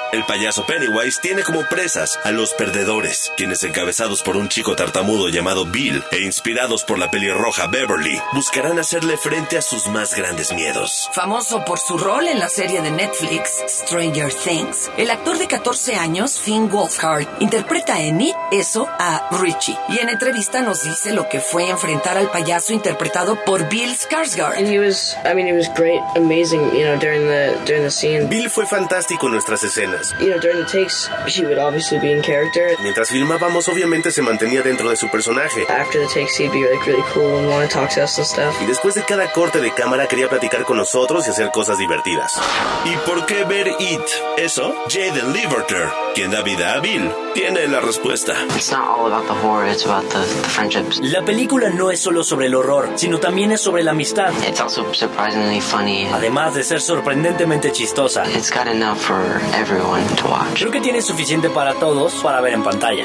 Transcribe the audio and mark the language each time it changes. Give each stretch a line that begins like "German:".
Spanish: El payaso Pennywise tiene como presas a los perdedores, quienes, encabezados por un chico tartamudo llamado Bill e inspirados por la pelirroja Beverly, buscarán hacerle frente a sus más grandes miedos. Famoso por su rol en la serie de Netflix Stranger Things, el actor de 14 años, Finn Wolfhard, interpreta en It, Eso, a Richie. Y en entrevista nos dice lo que fue enfrentar al payaso interpretado por Bill Skarsgård.
English: He was great, amazing, you know, during the scene.
Spanish: Bill fue fantástico en nuestras escenas.
English: You know, during the takes, she would obviously be in character.
Spanish: Mientras filmábamos, obviamente se mantenía dentro de su personaje.
English: After the takes, he'd be like really cool and want to talk to us and stuff.
Spanish: Y después de cada corte de cámara quería platicar con nosotros y hacer cosas divertidas. ¿Y por qué ver It, Eso? Jaden Leverter, quien da vida a Bill, tiene la respuesta.
English: It's not all about the horror, it's about the friendships.
Spanish: La película no es solo sobre el horror, sino también es sobre la amistad.
English: It's also surprisingly funny.
Spanish: Además de ser sorprendentemente chistosa.
English: It's got enough for everyone to watch.
Spanish: Creo que tiene suficiente para todos para ver en pantalla.